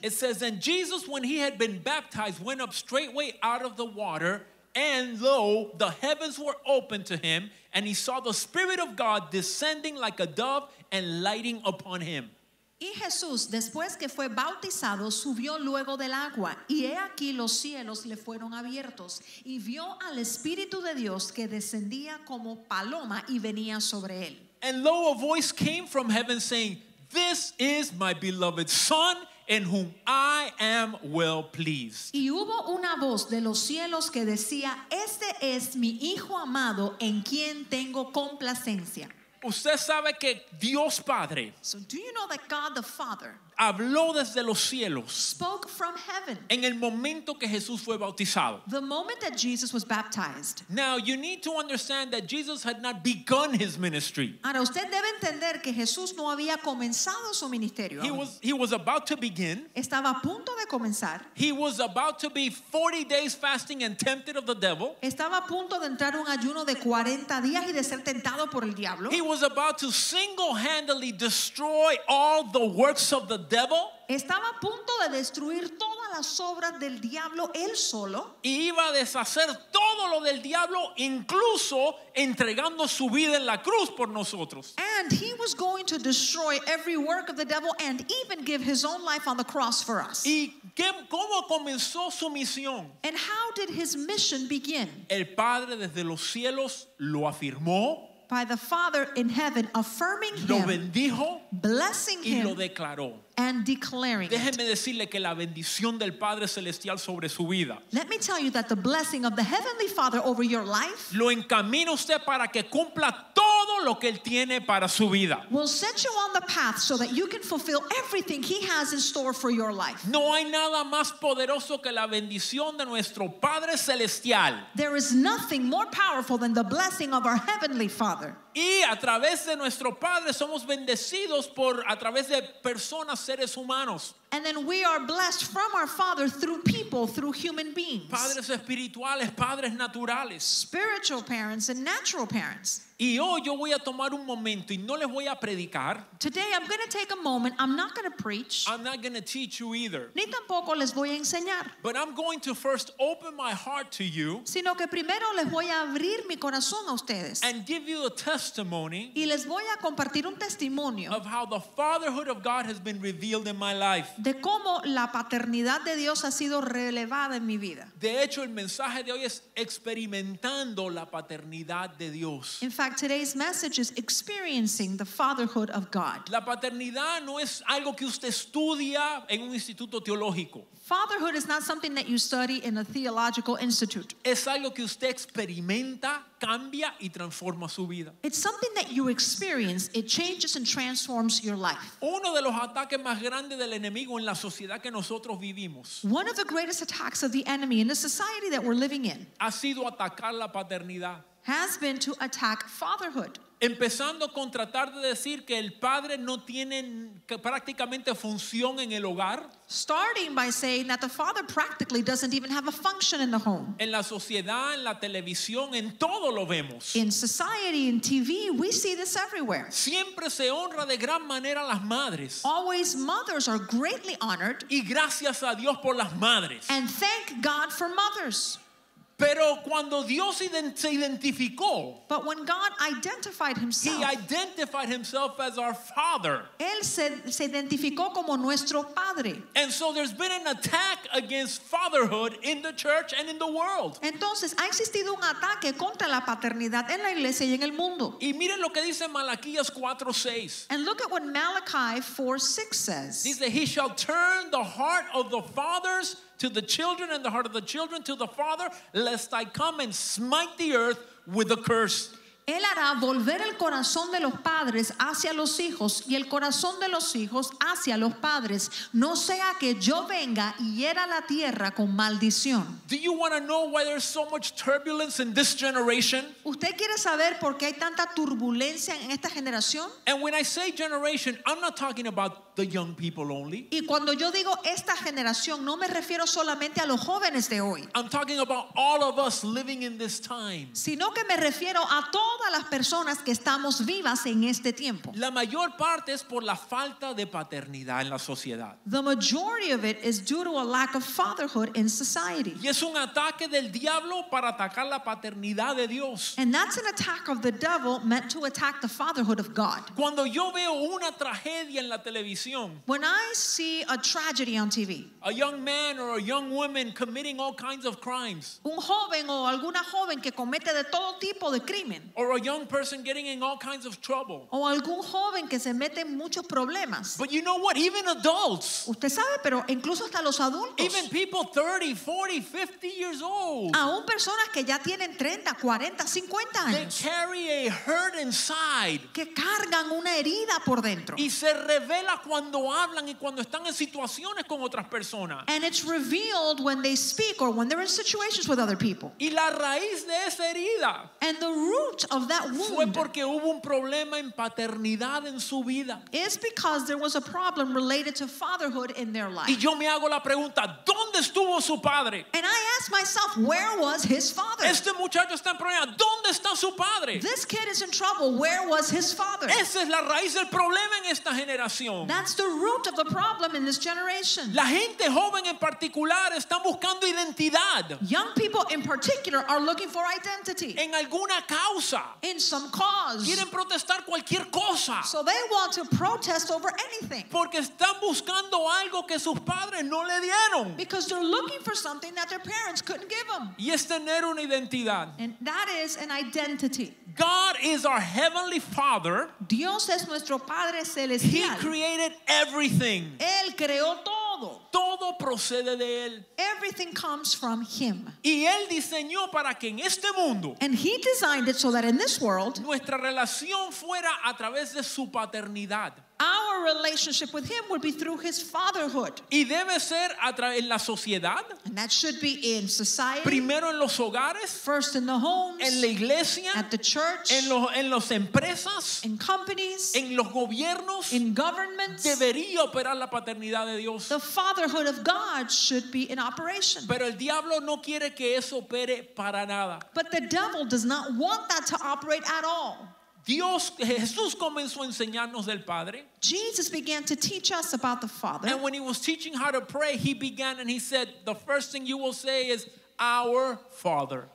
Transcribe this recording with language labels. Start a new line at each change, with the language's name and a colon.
English: It says, "And Jesus, when he had been baptized, went up straightway out of the water, and lo, the heavens were opened to him, and he saw the Spirit of God descending like a dove and lighting upon him."
Spanish: Y Jesús, después que fue bautizado, subió luego del agua, y he aquí los cielos le fueron abiertos, y vio al Espíritu de Dios que descendía como paloma y venía sobre él.
English: And lo, a voice came from heaven saying, "This is my beloved Son, in whom I am well pleased."
Spanish: Y hubo una voz de los cielos que decía, "Este es mi Hijo amado, en quien tengo complacencia." Usted sabe que Dios Padre,
English: so do you know that God the Father,
Spanish: habló desde los cielos,
English: spoke from heaven,
Spanish: en el momento que Jesús fue bautizado,
English: the moment that Jesus was baptized. Now you need to understand that Jesus had not begun his ministry.
Spanish: Ahora usted debe entender que Jesús no había comenzado su ministerio.
English: He was about to begin.
Spanish: Estaba a punto de comenzar.
English: He was about to be 40 days fasting and tempted of the devil.
Spanish: Estaba a punto de entrar un ayuno de 40 días y de ser tentado por el diablo.
English: He was about to single-handedly destroy all the works of the devil.
Spanish: Estaba a punto de destruir todas las obras del diablo él solo. Y iba a deshacer todo lo del diablo, incluso entregando su vida en la cruz por nosotros.
English: And he was going to destroy every work of the devil and even give his own life on the cross for us.
Spanish: ¿Y cómo comenzó su misión?
English: And how did his mission begin?
Spanish: El Padre desde los cielos lo afirmó.
English: By the Father in heaven affirming
Spanish: lo bendijo,
English: him, blessing
Spanish: y
English: him,
Spanish: lo declaró,
English: and declaring it.
Spanish: Déjeme decirle que la bendición del Padre celestial sobre su vida,
English: let me tell you that the blessing of the Heavenly Father over your life,
Spanish: lo encamina usted para que cumpla todo lo que él tiene para su vida,
English: will set you on the path so that you can fulfill everything he has in store for your life.
Spanish: No hay nada más poderoso que la bendición de nuestro Padre celestial.
English: There is nothing more powerful than the blessing of our Heavenly Father.
Spanish: Y a través de nuestro Padre somos bendecidos por a través de personas, seres humanos.
English: And then we are blessed from our Father through people, through human beings.
Spanish: Padres espirituales, padres naturales.
English: Spiritual parents and natural parents.
Spanish: Y hoy yo voy a tomar un momento y no les voy a predicar.
English: Today I'm going to take a moment. I'm not going to preach. I'm not going to teach you either.
Spanish: Ni tampoco les voy a enseñar.
English: But I'm going to first open my heart to you.
Spanish: Sino que primero les voy a abrir mi corazón a ustedes.
English: And give you a testimony.
Spanish: Y les voy a compartir un testimonio.
English: Of how the fatherhood of God has been revealed in my life.
Spanish: De cómo la paternidad de Dios ha sido revelada en mi vida. De hecho, el mensaje de hoy es experimentando la paternidad de Dios.
English: In fact, today's message is experiencing the fatherhood of God.
Spanish: La paternidad no es algo que usted estudia en un instituto teológico.
English: Fatherhood is not something that you study in a theological institute.
Spanish: Es algo que usted experimenta, cambia y transforma su vida.
English: It's something that you experience. It changes and transforms your life.
Spanish: Uno de los ataques más grandes del enemigo en la sociedad que nosotros vivimos.
English: One of the greatest attacks of the enemy in the society that we're living in.
Spanish: Ha sido atacar la paternidad.
English: Has been to attack fatherhood.
Spanish: Empezando con tratar de decir que el padre no tiene prácticamente función en el hogar.
English: Starting by saying that the father practically doesn't even have a function in the home.
Spanish: En la sociedad, en la televisión, en todo lo vemos.
English: In society, in TV, we see this everywhere.
Spanish: Siempre se honra de gran manera a las madres.
English: Always mothers are greatly honored.
Spanish: Y gracias a Dios por las madres.
English: And thank God for mothers.
Spanish: Pero cuando Dios se identificó,
English: but when God identified himself, he identified himself as our father.
Spanish: Él se identificó como nuestro padre.
English: And so there's been an attack against fatherhood in the church and in the world.
Spanish: Entonces ha existido un ataque contra la paternidad en la iglesia y en el mundo. Y miren lo que dice Malaquías 4:6.
English: And look at what Malachi 4:6 says.
Spanish: Dice,
English: "He shall turn the heart of the fathers to the children and the heart of the children to the father, lest I come and smite the earth with a curse."
Spanish: Él hará volver el corazón de los padres hacia los hijos y el corazón de los hijos hacia los padres, no sea que yo venga y hiera la tierra con maldición.
English: Do you want to know why there's so much turbulence in this generation?
Spanish: ¿Usted quiere saber por qué hay tanta turbulencia en esta generación?
English: And when I say generation, I'm not talking about the young people only.
Spanish: Y cuando yo digo esta generación, no me refiero solamente a los jóvenes de hoy.
English: I'm talking about all of us living in this time.
Spanish: Sino que me refiero a todas las personas que estamos vivas en este tiempo. La mayor parte es por la falta de paternidad en la sociedad.
English: The majority of it is due to a lack of fatherhood in society.
Spanish: Y es un ataque del diablo para atacar la paternidad de Dios.
English: And that's an attack of the devil meant to attack the fatherhood of God.
Spanish: Cuando yo veo una tragedia en la televisión,
English: when I see a tragedy on TV, a young man or a young woman committing all kinds of crimes,
Spanish: un joven o alguna joven que comete de todo tipo de crimen,
English: or a young person getting in all kinds of trouble,
Spanish: o algún joven que se mete en muchos problemas,
English: but you know what, even adults,
Spanish: usted sabe, pero incluso hasta los adultos,
English: even people 30, 40, 50 years old,
Spanish: aún personas que ya tienen 30, 40, 50 años,
English: they carry a hurt inside,
Spanish: que cargan una herida por dentro, y se revela cuando hablan y cuando están en situaciones con otras personas.
English: And it's revealed when they speak or when they're in situations with other people.
Spanish: Y la raíz de esa herida,
English: and the root of that wound,
Spanish: fue porque hubo un problema en paternidad en su vida,
English: is because there was a problem related to fatherhood in their life.
Spanish: Y yo me hago la pregunta, ¿dónde estuvo su padre?
English: And I ask myself, where was his father?
Spanish: Este muchacho está en problema, ¿dónde está su padre?
English: This kid is in trouble, where was his father?
Spanish: Esa es la raíz del problema en esta generación.
English: That's the root of the problem in this generation.
Spanish: La gente joven en particular está buscando identidad.
English: Young people in particular are looking for identity.
Spanish: En alguna causa.
English: In some cause.
Spanish: Quieren protestar cualquier cosa.
English: So they want to protest over anything.
Spanish: Porque están buscando algo que sus padres no le dieron.
English: Because they're looking for something that their parents couldn't give them.
Spanish: Y es tener una identidad.
English: And that is an identity. God is our heavenly Father.
Spanish: Dios es nuestro Padre celestial.
English: He created everything.
Spanish: Él creó todo. Todo procede de él.
English: Everything comes from him.
Spanish: Y él diseñó para que en este mundo,
English: and he designed it so that in this world,
Spanish: nuestra relación fuera a través de su paternidad.
English: Our relationship with him would be through his fatherhood.
Spanish: Y debe ser a través de la sociedad.
English: And that should be in society.
Spanish: Primero en los hogares.
English: First in the homes.
Spanish: En la iglesia.
English: At the church.
Spanish: En los empresas.
English: In companies.
Spanish: En los gobiernos.
English: In governments.
Spanish: Debería operar la paternidad de Dios.
English: The fatherhood of God should be in operation.
Spanish: Pero el diablo no quiere que eso opere para nada.
English: But the devil does not want that to operate at all.
Spanish: Dios, Jesús comenzó a enseñarnos del Padre.
English: Jesus began to teach us about the Father. And when he was teaching how to pray, he began and he said, the first thing you will say is, Our Father.